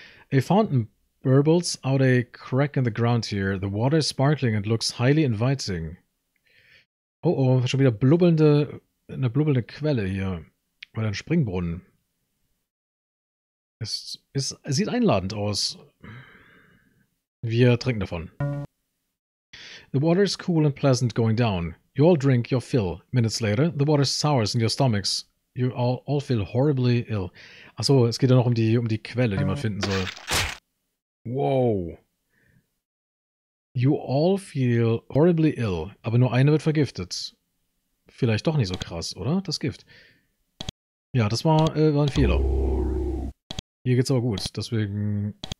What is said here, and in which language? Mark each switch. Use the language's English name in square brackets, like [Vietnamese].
[English] A fountain burbles out a crack in the ground here. The water is sparkling and looks highly inviting. [German] Oh, schon wieder eine blubbelnde Quelle hier. Oder ein Springbrunnen. Es sieht einladend aus. Wir trinken davon. [English] The water is cool and pleasant going down. You all drink your fill. Minutes later, the water sours in your stomachs. You all feel horribly ill. [German] Achso, es geht ja noch um die Quelle, die man finden soll. Wow. [English] You all feel horribly ill, [German] aber nur eine wird vergiftet. Vielleicht doch nicht so krass, oder? Das Gift. Ja, das war ein Fehler. Hier geht's aber gut, deswegen